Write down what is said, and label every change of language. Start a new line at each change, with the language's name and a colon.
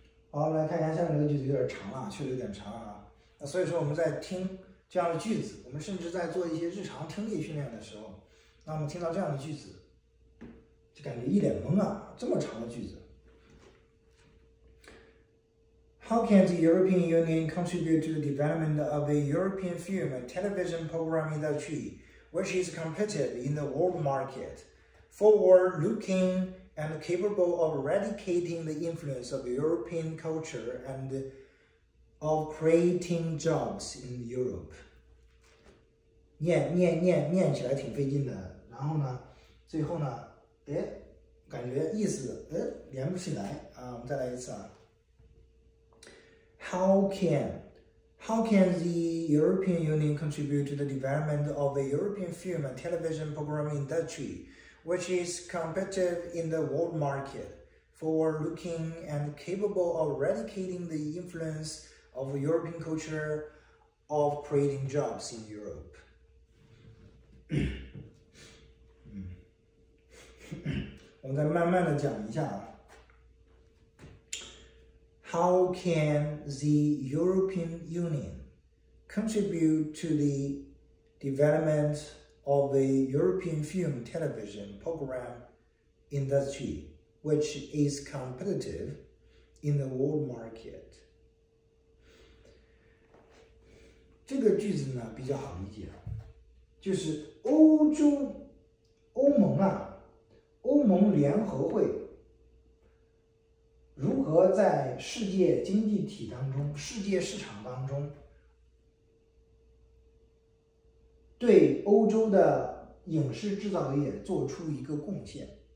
Chinese: 好，我们来看一下下面这个句子，有点长了，确实有点长啊。那所以说我们在听这样的句子，我们甚至在做一些日常听力训练的时候，那我们听到这样的句子，就感觉一脸懵啊，这么长的句子。
English: How can the European Union contribute to the development of a European film and television program industry, which is competitive in the world market, forward-looking and capable of eradicating the influence of European culture and of creating jobs in Europe?
Chinese: 念起来挺费劲的，然后呢，最后呢，哎，感觉意思哎连不起来啊，我们再来一次啊。
English: How can the European Union contribute to the development of a European film and television programming industry, which is competitive in the world market, forward-looking and capable of eradicating the influence of European culture of creating jobs in Europe?
Chinese: 我们再慢慢的讲一下。
English: How can the European Union contribute to the development of the European film television program industry, which is competitive in the world market?
Chinese: 这个句子呢比较好理解，就是欧盟联合会如何在世界经济体当中、世界市场当中，对欧洲的影视制造业做出一个贡献？